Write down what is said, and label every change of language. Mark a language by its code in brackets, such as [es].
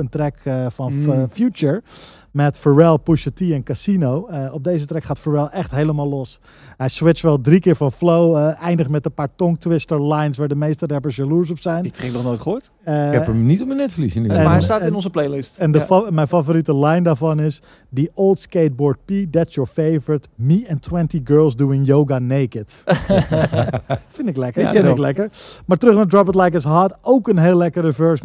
[nl] Een track van Future. Met Pharrell, Pusha T en Casino. Op deze track gaat Pharrell echt helemaal los. Hij switcht wel 3 keer van flow. Eindigt met een paar tongue twister lines waar de meeste rappers jaloers op zijn. Die track nog nooit gehoord. Ik heb hem niet op mijn netvlies. Maar hij staat in onze playlist. En mijn favoriete line daarvan is: [en] The old skateboard P, that's your favorite. Me and 20 girls doing yoga naked. [nl] Vind ik lekker. Ja, vind ik lekker. Maar terug naar Drop It Like It's Hot. Ook een heel lekkere verse.